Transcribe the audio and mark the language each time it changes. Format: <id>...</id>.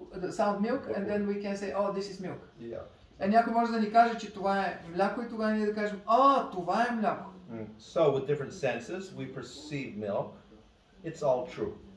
<en>Sound milk, and then we can say, oh, this is milk. Yeah.</en> <bg>Е, някой може да ни каже, че това е мляко и тогава ние да кажем, а, това е мляко.</bg> <en>So with different senses, we perceive milk, it's all true.</en>